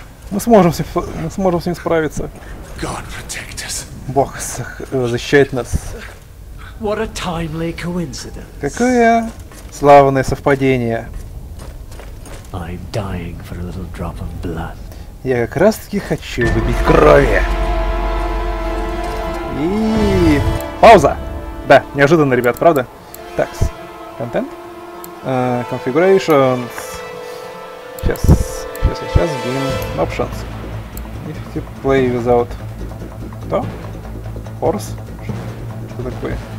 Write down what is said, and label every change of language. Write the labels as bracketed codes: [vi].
[ru] Мы сможем с ним справиться. [en] God protect us. [ru] Бог защищает нас. [en] What a timely coincidence. [ru] Какое славное совпадение. [en] I'm dying for a little drop of blood. [ru] Я как раз таки хочу выпить крови. И пауза. Да, неожиданно, ребят, правда? Так, контент. Configuration. Сейчас. Сейчас [en] game options. If you play without... [ru] Кто? [en] Horse? [ru] Что такое?